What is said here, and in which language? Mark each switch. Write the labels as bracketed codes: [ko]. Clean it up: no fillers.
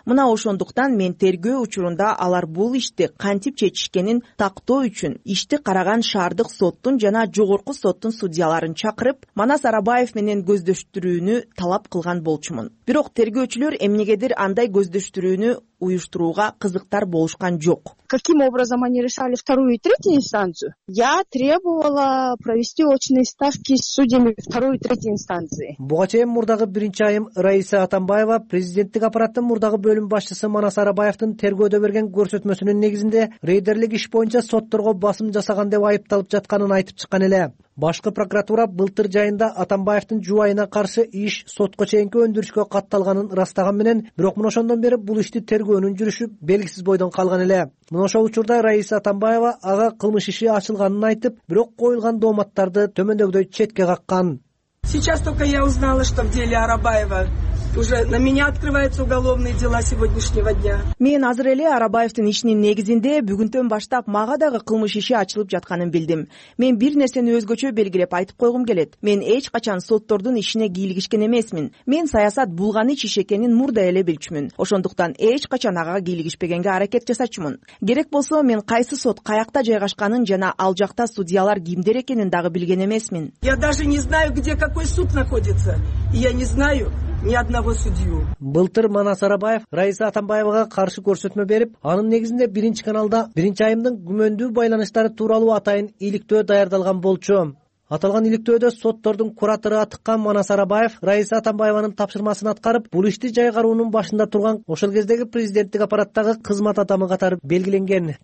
[ky] Мына ошондуктан мен тергөө учурунда алар бул ишти кантип чечишкенин тактоо үчүн ишти караган шаардык соттун жана жогорку соттун судьяларын чакырып, Манас Арабаев менен көздөштүрүүнү талап кылган болчумун. Бирок тергөөчүлөр эмнегедир андай көздөштүрүүнү уюштурууга кызыктар болушкан жок. [ru] Каким образом они решали вторую и третью инстанцию? Я требовала провести очные ставки с судьями второй и третьей инстанции. [ky] Буга чейин мурдагы биринчи айым Раиса Атамбаева президенттик аппараттын мурдагы бөлүм башчысы Манас Арабаевдин тергөөдө берген көрсөтмөсүнүн негизинде рейдерлик иш боюнча сотторго басым жасаган деп айыпталып жатканын айтып чыккан эле. Башкы прокуратура былтыр жайында Атамбаевдин жубайына каршы иш сотко чейинки өндүрүшкө катталганын ырастаган менен, бирок мына ошондон бери бул ишти тергөөнүн жүрүшү белгисиз бойдон калган эле. Мына ошол учурда Раиса Атамбаева ага кылмыш иши ачылганын айтып, бирок коюлган дооматтарды төмөндөгүдөй четке каккан. [ru] Сейчас только я узнала, что в деле Арабаева уже на меня открываются уголовные дела сегодняшнего дня. [ky] Мен азыр эле Арабаевдин ишинин негизинде бүгүнтөн баштап мага дагы кылмыш иши ачылып жатканын билдим. Мен бир нерсени өзгөчө белгилеп айтып койгум келет. Мен эч качан соттордун ишине кийлигишкен эмесмин. Мен саясат булган иш экенин мурда эле билчүмүн. Ошондуктан эч качан ага кийлигишпегенге аракет жасачумун. Керек болсо мен кайсы сот каякта жайгашканын жана ал жакта судьялар кимдер экенин дагы билген эмесмин. [ru] Я даже не знаю, где какой суд находится. Я не знаю ни одного судью. [ky] Былтыр Манас Арабаев Раиса Атамбаевага каршы көрсөтмө берип, анын негизинде 1-чи каналда 1-чи айымдын күмөндүү байланыштары тууралуу атайын иликтөө даярдалган болчу. Аталган иликтөөдө соттордун кураторы атыккан Манас Арабаев Раиса Атамбаеванын тапшырмасын аткарып, бул ишти жайгаруунун башында турган ошол кездеги президенттик аппараттагы кызмат адамы катары белгиленген.